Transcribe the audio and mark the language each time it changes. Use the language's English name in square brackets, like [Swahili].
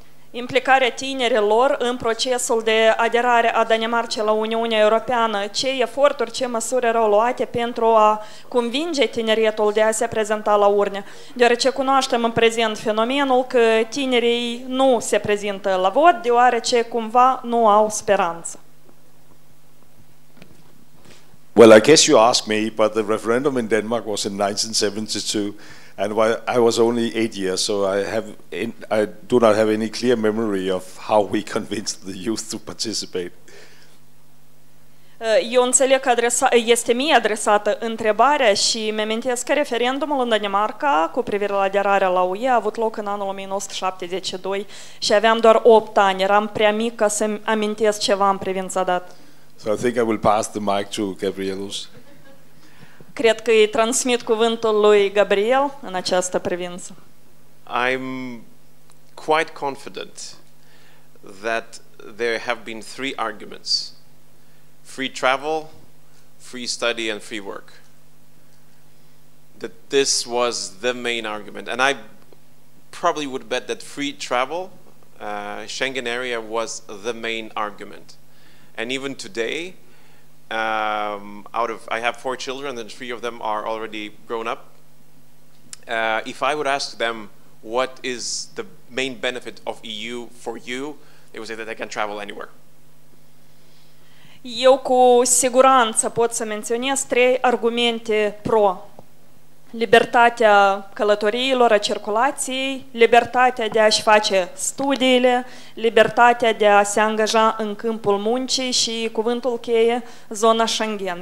[Romanian] Implicarea tinerilor în procesul de aderare a Danemarcei la Uniunea Europeană, ce eforturi, ce măsuri erau luate pentru a convinge tineretul de a se prezenta la urne. Deoarece cunoaștem în prezent fenomenul că tinerii nu se prezintă la vot, deoarece cumva nu au speranță. [English] Well, I guess you ask me, but the referendum in Denmark was in 1972. And I was only 8 years, so I do not have any clear memory of how we convinced the youth to participate. [Romanian] Eu înțeleg că este mie adresată întrebarea și mi-amintesc că referendumul în Danemarca cu privire la aderarea la UE a avut loc în anul 1972 și aveam doar 8 ani, eram prea mic ca să-mi amintesc ceva în privința dat. [English] So I think I will pass the mic to Gabrielus. [Romanian] Cred că îi transmit cuvântul lui Gabriel în această privință. [English] I'm quite confident that there have been three arguments: free travel, free study and free work. That this was the main argument, and I probably would bet that free travel, Schengen area was the main argument. And even today, I have 4 children and 3 of them are already grown up. If I would ask them what is the main benefit of EU for you, they would say that they can travel anywhere. [Romanian] Eu cu siguranță pot să menționez 3 argumente pro: libertatea călătoriilor, a circulației, libertatea de a-și face studiile, libertatea de a se angaja în câmpul muncii și, cuvântul cheie, zona Schengen.